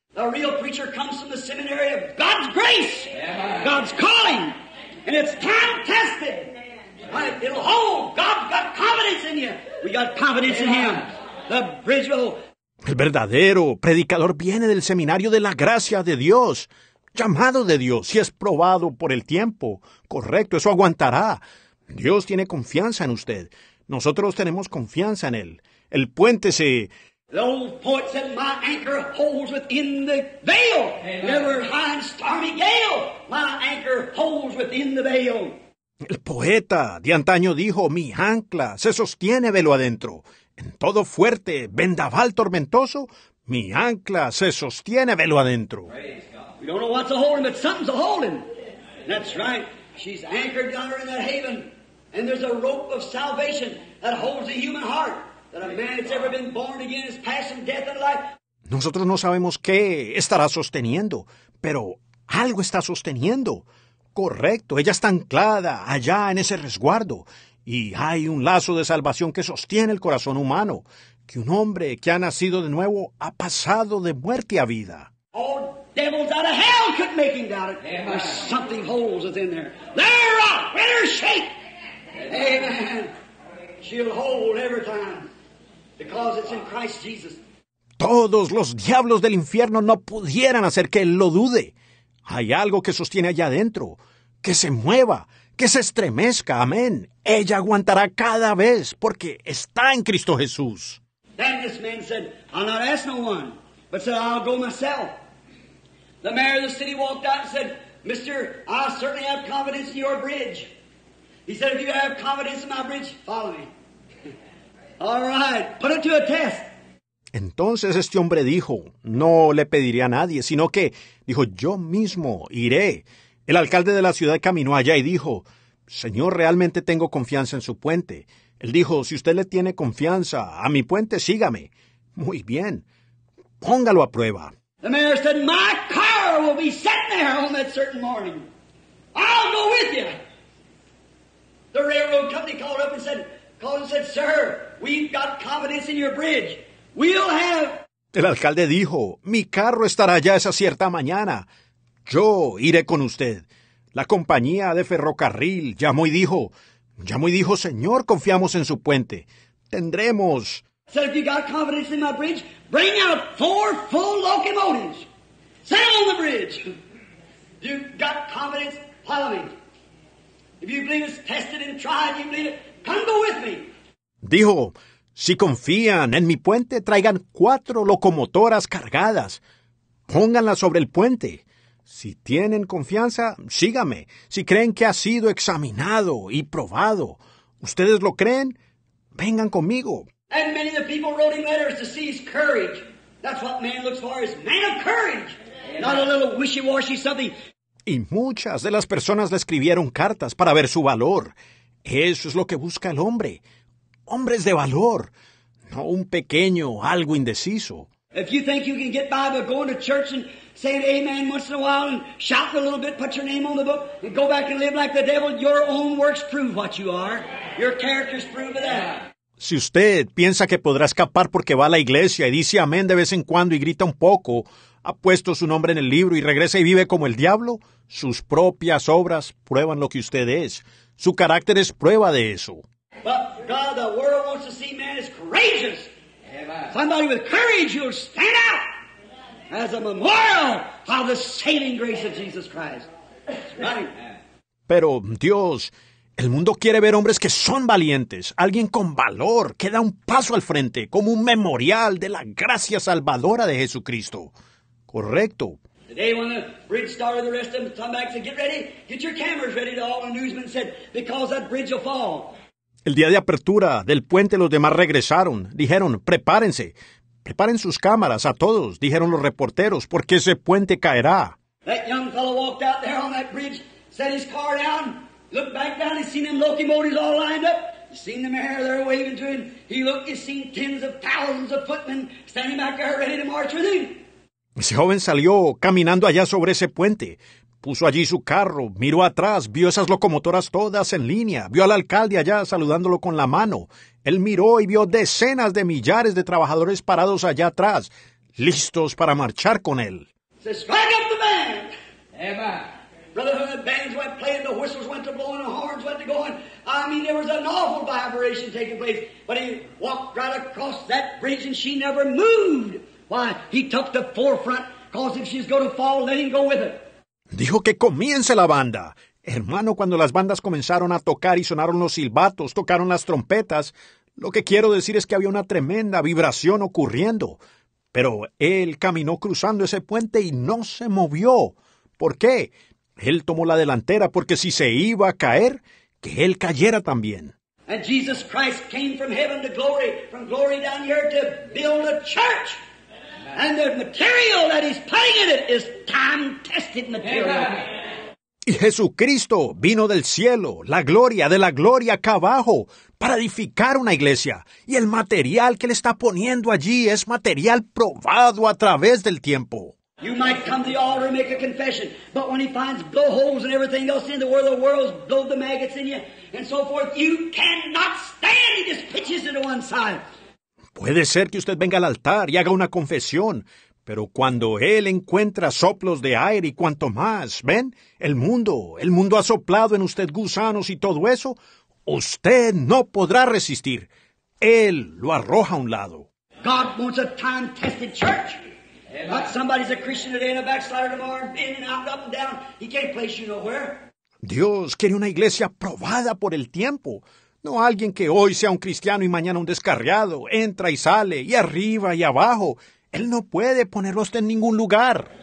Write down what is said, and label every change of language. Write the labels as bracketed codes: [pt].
[en] The real preacher comes from the seminary of God's grace, yeah. God's calling, and it's time tested. Yeah. It'll hold. God's got confidence in you. We got confidence in him. The bridge will hold. [es] El verdadero predicador viene del seminario de la gracia de Dios. Llamado de Dios, si es probado por el tiempo, correcto, eso aguantará. Dios tiene confianza en usted. Nosotros tenemos confianza en él. El puente se... [en] The old poet said, my anchor holds within the veil. Never high stormy gale, my anchor holds within the veil. [es] El poeta de antaño dijo, mi ancla se sostiene velo adentro. En todo fuerte vendaval tormentoso, mi ancla se sostiene velo adentro. [en] We don't know what's a holding, but something's a holding. That's right. She's anchored down in that haven. And there's a rope of salvation that holds the human heart. That a man that's ever been born again is passing death and life. [es] Nosotros no sabemos qué estará sosteniendo, pero algo está sosteniendo. Correcto. Ella está anclada allá en ese resguardo. Y hay un lazo de salvación que sostiene el corazón humano. Que un hombre que ha nacido de nuevo ha pasado de muerte a vida. [en] Devils out of hell couldn't make him doubt it. Amen. There's something holds within there. Let her rock, let her shake. Amen. She'll hold every time because it's in Christ Jesus. [es] Todos los diablos del infierno no pudieran hacer que él lo dude. Hay algo que sostiene allá adentro. que se mueva, que se estremezca. Amén. Ella aguantará cada vez porque está en Cristo Jesús. [en] Then this man said, I'll not ask no one, but said, I'll go myself. The mayor of the city walked out and said, Mister, I certainly have confidence in your bridge. He said, if you have confidence in my bridge, follow me. All right, put it to a test. [es] Entonces este hombre dijo, no le pediré a nadie, sino que, dijo, yo mismo iré. El alcalde de la ciudad caminó allá y dijo, Señor, realmente tengo confianza en su puente. Él dijo, si usted le tiene confianza a mi puente, sígame. Muy bien, póngalo a prueba. [en] The mayor said, my car will be sitting there on that certain morning. I'll go with you. The railroad company called and said, sir, we've got confidence in your bridge. We'll have... [es] El alcalde dijo, mi carro estará allá esa cierta mañana. Yo iré con usted. La compañía de ferrocarril llamó y dijo, Señor, confiamos en su puente. Tendremos. [en] Said, if you got confidence in my bridge, bring out 4 full locomotives. Set on the bridge. You got confidence, follow me. If you believe it's tested and tried, you believe it, come go with me. [es] Dijo, si confían en mi puente, traigan 4 locomotoras cargadas. Pónganlas sobre el puente. Si tienen confianza, sígame. Si creen que ha sido examinado y probado, ¿ustedes lo creen? Vengan conmigo. [en] And many of the people wrote him letters to see his courage. That's what man looks for, is man of courage. Not a little wishy-washy something. [es] Y muchas de las personas le escribieron cartas para ver su valor. Eso es lo que busca el hombre. Hombres de valor. No un pequeño algo indeciso. [en] If you think you can get by by going to church and saying amen once in a while and shout a little bit, put your name on the book, and go back and live like the devil, your own works prove what you are. Your character's proof of that. [es] Si usted piensa que podrá escapar porque va a la iglesia y dice amén de vez en cuando y grita un poco, ha puesto su nombre en el libro y regresa y vive como el diablo, sus propias obras prueban lo que usted es. Su carácter es prueba de eso. [en] But God, the world wants to see man is courageous. Somebody with courage, you'll stand out as a memorial of the saving grace of Jesus Christ. Right. [es] Pero Dios, el mundo quiere ver hombres que son valientes, alguien con valor, que da un paso al frente como un memorial de la gracia salvadora de Jesucristo. Correcto. [en] Today when the bridge started, the rest of them come back and said, get ready, get your cameras ready, to all the newsmen said, because that bridge will fall. [es] El día de apertura del puente, los demás regresaron. Dijeron, prepárense. Preparen sus cámaras a todos, dijeron los reporteros, porque ese puente caerá. [en] That young fellow walked out there on that bridge, set his car down, looked back down, he seen them locomotives all lined up. He seen the mayor there waving to him. He looked, he seen tens of thousands of footmen standing back there ready to march with him. [es] Ese joven salió caminando allá sobre ese puente. Puso allí su carro, miró atrás, vio esas locomotoras todas en línea, vio al alcalde allá saludándolo con la mano. Él miró y vio decenas de millares de trabajadores parados allá atrás, listos para marchar con él. [en] Se strike up the band. Emma. Brotherhood, the bands went playing, the whistles went to blowing, the horns went to going. I mean, there was an awful vibration taking place. But he walked right across that bridge and she never moved. Why, he took the forefront, cause if she's going to fall, let him go with it. [es] Dijo que comience la banda. Hermano, cuando las bandas comenzaron a tocar y sonaron los silbatos, tocaron las trompetas, lo que quiero decir es que había una tremenda vibración ocurriendo. Pero él caminó cruzando ese puente y no se movió. ¿Por qué? Él tomó la delantera porque si se iba a caer, que él cayera también. [en] And Jesus Christ came from heaven to glory, from glory down here to build a church. And the material that he's putting in it is time-tested material. [es] Y Jesucristo vino del cielo, la gloria acá abajo, para edificar una iglesia. Y el material que él está poniendo allí es material probado a través del tiempo. [en] You might come to the altar and make a confession, but when he finds blowholes and everything else in the world, the world's blowed the maggots in you, and so forth, you cannot stand. He just pitches it to one side. [es] Puede ser que usted venga al altar y haga una confesión, pero cuando él encuentra soplos de aire y cuanto más, ¿ven? El mundo ha soplado en usted gusanos y todo eso, usted no podrá resistir. Él lo arroja a un lado. [en] God wants a time-tested church. Not somebody's a Christian today and a backslider tomorrow, in and out, up and down. He can't place you nowhere. [es] Dios quiere una iglesia probada por el tiempo. No alguien que hoy sea un cristiano y mañana un descarriado, entra y sale, y arriba y abajo. Él no puede ponerlo usted en ningún lugar.